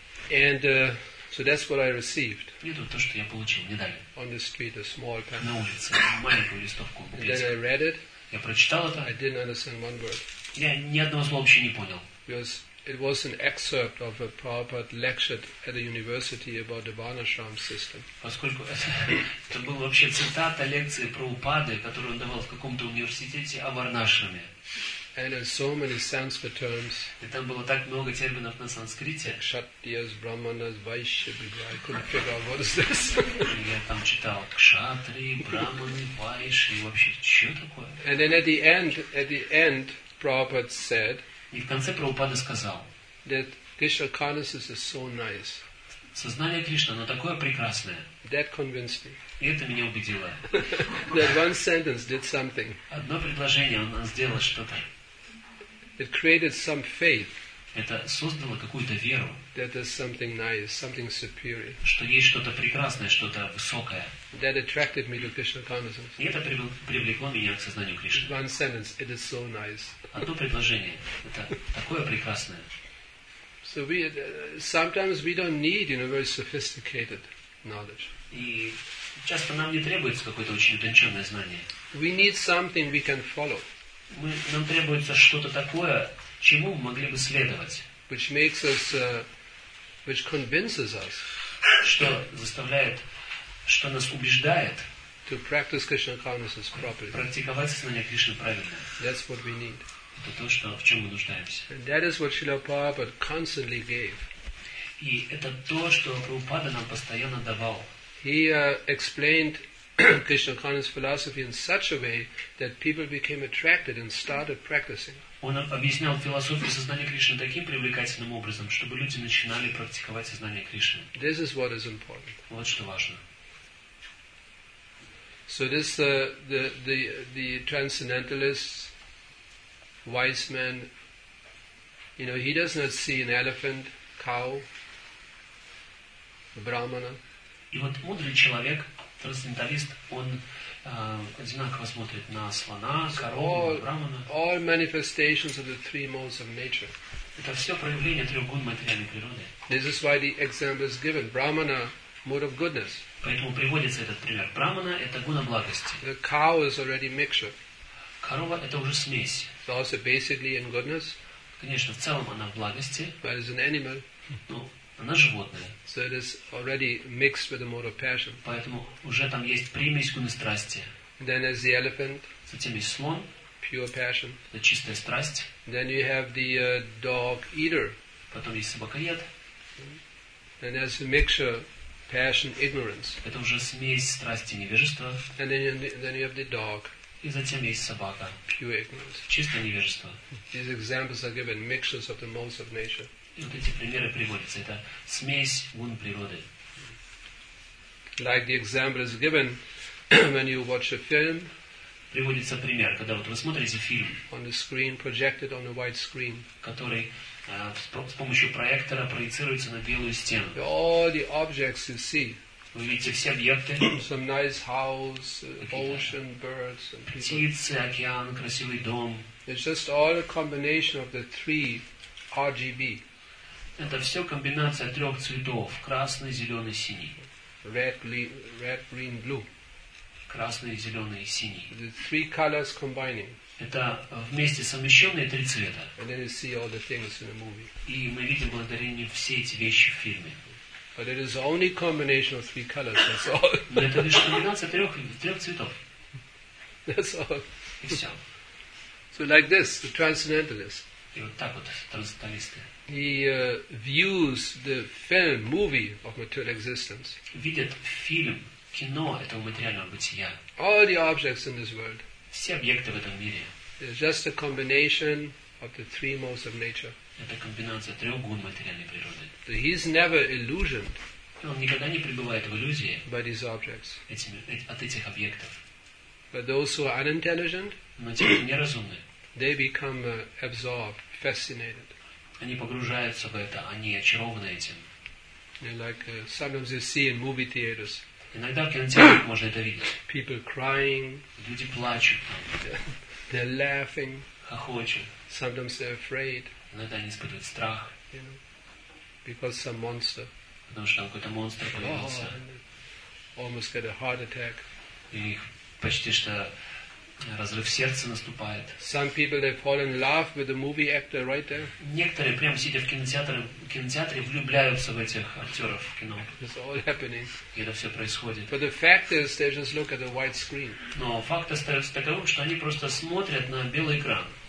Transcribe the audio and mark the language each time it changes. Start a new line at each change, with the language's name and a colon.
English: And so that's what I received.
Russian: И это то, что я получил, мне дали.
English: On the street, a small pamphlet.
Russian: На улице, маленькую листовку.
English: And then I read it.
Russian: Я прочитал это.
English: I didn't understand one word.
Russian: Я ни одного слова вообще не понял.
English: Because it was an excerpt of a Prabhupada lecture at a university about the Varnashram system.
Russian: Поскольку это была вообще цитата лекции Прабхупады, которую он давал в каком-то университете о Варнашраме.
English: And there's so many Sanskrit terms.
Russian: И там было так много терминов на санскрите. Кшатриас, Брахманас, Вайшья, Бидва.
English: I couldn't figure out what is this.
Russian: Я там читал кшатри, брахманы, вайши, и вообще, что такое?
English: And then at the end, Prabhupada said,
Russian: и в конце Прабхупада сказал,
English: that Krishna consciousness is so nice.
Russian: Сознание Кришны, оно такое прекрасное.
English: That convinced me.
Russian: И это меня убедило.
English: That one sentence did something.
Russian: Одно предложение, оно сделало что-то.
English: It created some faith.
Russian: Это создало какую-то веру.
English: That there's something nice, something superior.
Russian: Что есть что-то прекрасное, что-то высокое.
English: That attracted me to Krishna consciousness.
Russian: И это привлекло меня к сознанию Кришны.
English: One sentence, it is so nice.
Russian: Одно предложение, это такое прекрасное.
English: So we sometimes we don't need, very sophisticated knowledge.
Russian: И часто нам не требуется какое-то очень утонченное знание.
English: We need something we can follow.
Russian: Нам требуется что-то такое, чему мы могли бы следовать.
English: Which makes us which convinces us,
Russian: что нас убеждает,
English: to practice Krishna consciousness properly.
Russian: Практиковать сознание Кришны правильно.
English: That's what we need.
Russian: Это то, что, в чем мы нуждаемся.
English: And that is what Srila Prabhupada constantly gave.
Russian: И это то, что Прабхупада нам постоянно давал.
English: He explained Krishna consciousness philosophy in such a way that people became attracted and started practicing.
Russian: Он объяснял философию сознания Кришны таким привлекательным образом, чтобы люди начинали практиковать сознание Кришны.
English: This is what is important.
Russian: Вот что важно.
English: So this the transcendentalists, wise men, you know, he does not see an elephant, cow, brahmana.
Russian: И вот мудрый человек, трансценденталист, он одинаково смотрит на слона, корову, брахмана.
English: All manifestations of the three modes of nature.
Russian: Это все проявление трех гун материальной природы.
English: This is why the example is given. Brahmana, mode of goodness.
Russian: Поэтому приводится этот пример. Брахмана – это гуна благости.
English: The cow is already mixture.
Russian: Корова – это уже смесь.
English: So also basically in goodness.
Russian: Конечно, в целом она в благости.
English: But it's an animal.
Russian: Она животное.
English: So it is already mixed with the mode of passion.
Russian: Поэтому уже там есть примесь гуны страсти.
English: Then is the elephant.
Russian: Затем есть слон.
English: Pure passion.
Russian: Это чистая страсть.
English: Then you have the dog eater.
Russian: Потом есть собакоед.
English: Then there's a mixture, passion, ignorance.
Russian: Это уже смесь страсти и невежества.
English: And then you have the dog.
Russian: И затем есть собака.
English: Pure ignorance.
Russian: Чистое невежество.
English: These examples are given mixtures of the modes of nature.
Russian: И вот эти примеры приводятся. Это смесь гун природы.
English: Like the example is given when you watch a film.
Russian: Приводится пример, когда вот вы смотрите фильм.
English: On the screen, projected on a white screen.
Russian: Который с помощью проектора проецируется на белую стену.
English: All the objects you see.
Russian: Вы видите все объекты.
English: Some nice house, ocean, birds, and people.
Russian: Птицы, океан, красивый дом.
English: It's just all a combination of the three RGB.
Russian: Это все комбинация трех цветов: красный, зеленый, синий.
English: Red, green, blue.
Russian: Красный, зеленый, синий.
English: The three colors combining.
Russian: Это вместе совмещенные три цвета.
English: And then you see all the things in the movie.
Russian: И мы видим благодарение все эти вещи в фильме.
English: But it is only combination of three colors. That's all.
Russian: Но это лишь комбинация трех цветов.
English: That's all.
Russian: И все.
English: So like this, the transcendentalist.
Russian: И вот так вот трансценденталисты.
English: He views the film, movie of material existence.
Russian: Видит фильм, кино этого материального бытия.
English: All the objects in this world.
Russian: Все объекты в этом мире.
English: It's just a combination of the three modes of nature.
Russian: Это комбинация трех гун материальной природы.
English: So he's never illusioned.
Russian: Он никогда не пребывает в иллюзии.
English: By these objects.
Russian: От этих объектов.
English: But those who are unintelligent.
Russian: Но те, кто неразумны.
English: They become absorbed, fascinated.
Russian: Они погружаются в это, они очарованы этим.
English: Like, sometimes you see in movie theaters.
Russian: Иногда в кинотеатрах можно это видеть.
English: People crying.
Russian: Люди плачут.
English: They're laughing.
Russian: Хохочут.
English: Sometimes they're afraid.
Russian: Иногда они испытывают страх.
English: You know, because some monster.
Russian: Потому что там какой-то монстр появился.
English: Oh, almost get a heart attack.
Russian: И их почти что разрыв сердца наступает.
English: Some people they fall in love with the movie actor right there.
Russian: Некоторые прям сидя в кинотеатре влюбляются в этих актеров кино.
English: It's all happening.
Russian: И это все происходит.
English: But the fact is, they just look at the white screen.
Russian: Но факт остается таковым, что они просто смотрят на белый экран.